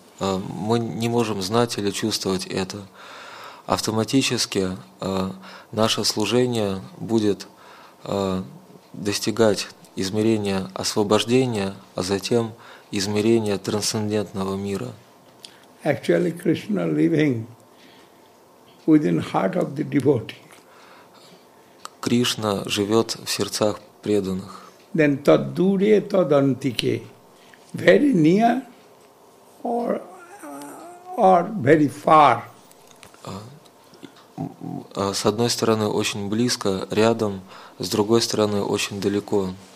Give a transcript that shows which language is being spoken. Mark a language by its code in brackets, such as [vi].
[ru] Мы не можем знать или чувствовать это. Автоматически наше служение будет достигать измерения освобождения, а затем измерения трансцендентного мира. [en] Actually, Krishna living within heart of the devotee. [ru] Кришна живет в сердцах преданных. [en] Then [sa] taddure tadantike. [en] Very near or very far. [ru] С одной стороны очень близко, рядом, с другой стороны очень далеко.